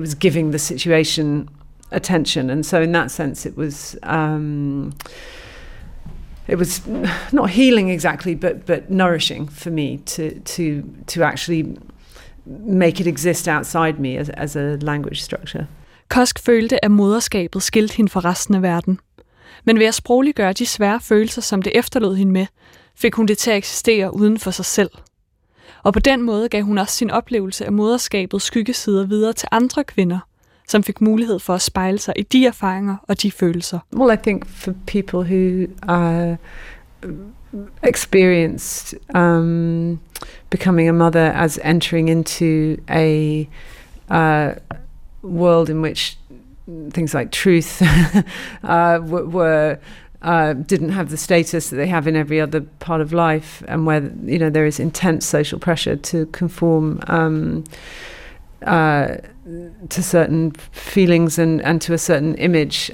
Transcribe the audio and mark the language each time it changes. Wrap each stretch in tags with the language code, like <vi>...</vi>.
<en>It was giving the situation attention. And so in that sense, it was not healing exactly, but nourishing for me to actually make it exist outside me as a language structure.</en> <da>Kosk følte, at moderskabet skilte hende fra resten af verden. Men ved at sprogliggøre de svære følelser, som det efterlod hende med, fik hun det til at eksistere uden for sig selv. Og på den måde gav hun også sin oplevelse af moderskabet skyggesider videre til andre kvinder, som fik mulighed for at spejle sig i de erfaringer og de følelser.</da> <en>Well, I think for people who experienced becoming a mother as entering into a world in which things like truth didn't have the status that they have in every other part of life, and where, you know, there is intense social pressure to conform to certain feelings and to a certain image.</en>